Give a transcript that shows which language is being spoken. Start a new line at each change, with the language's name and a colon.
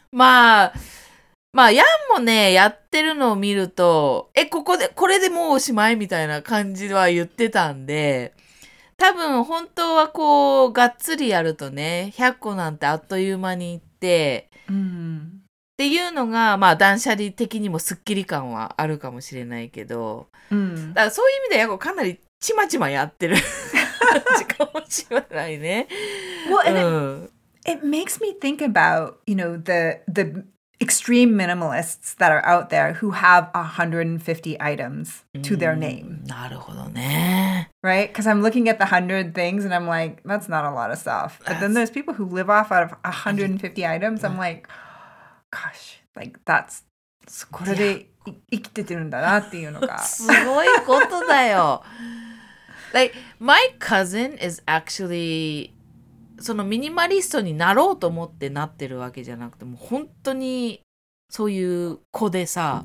Japanese: まあ、まあ、ヤンもね、やってるのを見ると、え、ここで、これでもうおしまいみたいな感じは言ってたんで、多分本当はこう、がっつりやるとね、100個なんてあっという間にいって、うん、っていうのが、まあ、断捨離的にもスッキリ感はあるかもしれないけど、うん、だからそういう意味でヤンかなりちまちまやってる感じかもしれないね。
English: Well, and it makes me think about, you know, the extreme minimalists that are out there who have 150 items to their name.
Japanese: なるほどね。
English: Right? Because I'm looking at the 100 things and I'm like, that's not a lot of stuff. But then there's people who live off out of 150 items. I'm like, gosh, like that's...
Japanese: これで生きててるんだなっていうのが。すごいことだよ。
English: Like, my cousin is actually...
Japanese: そのミニマリストになろうと思ってなってるわけじゃなくて、もう本当にそういう子でさ、